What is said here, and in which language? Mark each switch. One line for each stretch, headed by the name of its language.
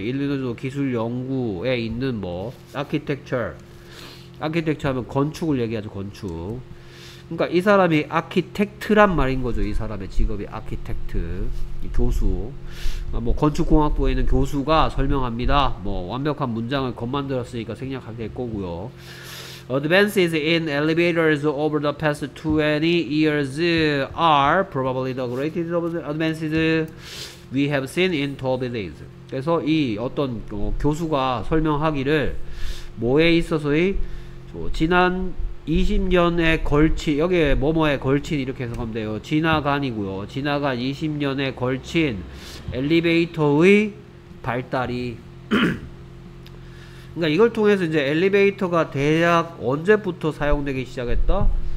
Korean: 일리노이주 기술 연구에 있는 뭐 아키텍처 하면 건축을 얘기하죠. 건축. 그러니까 이 사람이 아키텍트란 말인 거죠. 이 사람의 직업이 아키텍트. 이 교수 뭐 건축공학부에 있는 교수가 설명합니다. 뭐 완벽한 문장을 겉만 들었으니까 생략하게 될 거고요.
English: Advances in elevators over the past 20 years are probably the greatest of the advances we have seen in tall buildings.
Korean: 그래서 이 어떤 교수가 설명하기를 뭐에 있어서의 지난 20년에 걸친 여기에 뭐뭐에 걸친 이렇게 해석하면 돼요. 지나간이고요. 지나간 20년에 걸친 엘리베이터의 발달이 그러니까 이걸 통해서 이제 엘리베이터가 대략 언제부터 사용되기 시작했다?